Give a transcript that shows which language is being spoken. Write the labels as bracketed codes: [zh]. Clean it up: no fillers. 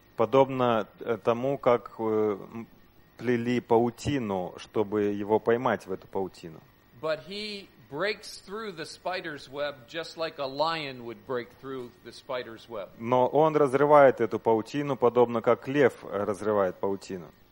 [ru] Подобно тому, как плели паутину, чтобы его поймать в эту паутину. [en] But he breaks through the spider's web just like a lion would break through the spider's web. [ru] Но он разрывает эту паутину, подобно как лев разрывает паутину.